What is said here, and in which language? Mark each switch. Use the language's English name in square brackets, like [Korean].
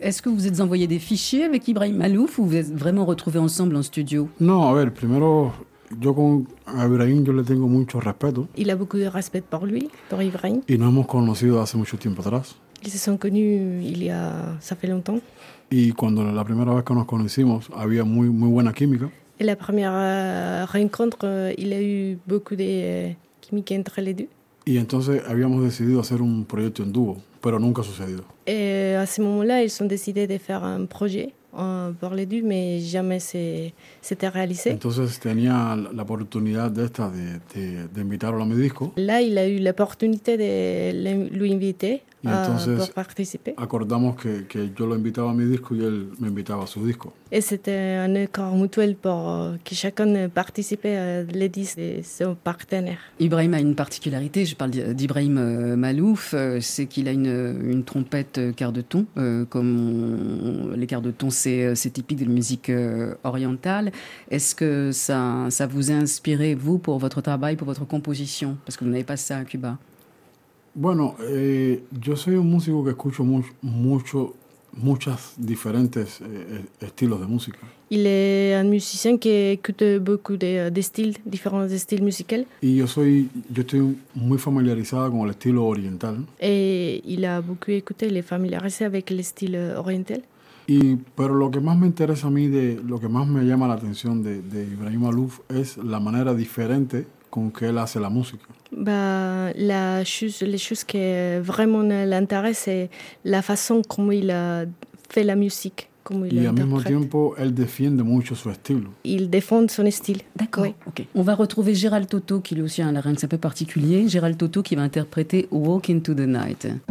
[French] Est-ce que vous êtes envoyé des fichiers avec Ibrahim Malouf ou vous êtes vraiment retrouvés ensemble en studio? [Spanish] Non, a ver, primero, yo con Ibrahim, yo le tengo mucho respeto. [French] Il a beaucoup de respect pour lui, pour Ibrahim. [Spanish] Y nos hemos conocido hace mucho tiempo atrás. [French] Ils se sont connus il y a, ça fait longtemps. [Spanish] Y cuando la primera vez que nos conocimos, había muy, muy buena química. [French] Et la première rencontre, il a eu beaucoup de química entre les deux. [Spanish] Y entonces habíamos decidido hacer un proyecto en dúo, pero nunca ha sucedido. [French] Et à ce moment-là, ils sont décidés de faire un projet pour les deux, mais jamais c'était réalisé. [Spanish] Entonces tenía la oportunidad de esta de invitarlo a mi disco. [French] Là, il a eu l'opportunité de l'inviter pour participer. [Spanish] Acordamos que yo lo invitaba a mi disco y él me invitaba a su disco. [French] Et c'était un accord mutuel pour que chacun participe à les disques de son partenaire. Ibrahim a une particularité, je parle d'Ibrahim Malouf, c'est qu'il a une trompette quart de ton, comme les quarts de ton, c'est typique de la musique orientale. Est-ce que ça vous a inspiré, vous, pour votre travail, pour votre composition? Parce que vous n'avez pas ça à Cuba. [Spanish] Bueno, yo soy un músico que escucho muchas diferentes estilos de música. [French] Il est un musicien qui écoute beaucoup de styles, différents styles musicaux. [Spanish] Y yo estoy muy familiarizado con el estilo oriental. [French] Et il a beaucoup écouté, il est familiarisé avec le style oriental. [Spanish] Y pero lo que más me interesa a mí, de lo que más me llama la atención de Ibrahim Malouf es la manera diferente con que él hace la música. [French] Les choses que vraiment l'intéresse c'est la façon comme il a fait la musique, comme il l'interprète. [Spanish] Y al mismo tiempo él defiende mucho su estilo. [French] Il défend son style. D'accord. Oui. OK. On va retrouver Gérald Toto qui lui aussi a un larynx un peu particulier, Gérald Toto qui va interpréter Walk Into the Night.